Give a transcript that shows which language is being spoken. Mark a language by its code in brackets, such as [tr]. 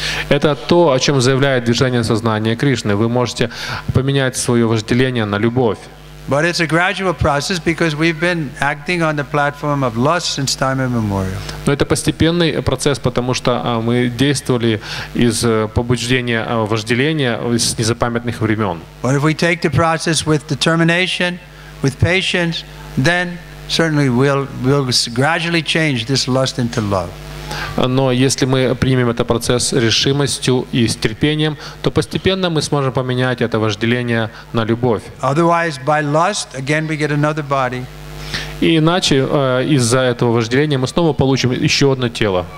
[ru] Это то, о чем заявляет движение сознания Кришны. Вы можете поменять свое вожделение на любовь. [en] But it's a gradual process because we've been acting on the platform of lust since time immemorial. [ru] Но это постепенный процесс, потому что мы действовали из побуждения вожделения с незапамятных времен. [en] But if we take the process with determination, with patience, then certainly we'll gradually change this lust into love. [ru] Но если мы примем этот процесс решимостью и с терпением, то постепенно мы сможем поменять это вожделение на любовь. [en] Otherwise, by lust, again we get another body. [ru] И иначе из-за этого вожделения мы снова получим еще одно тело.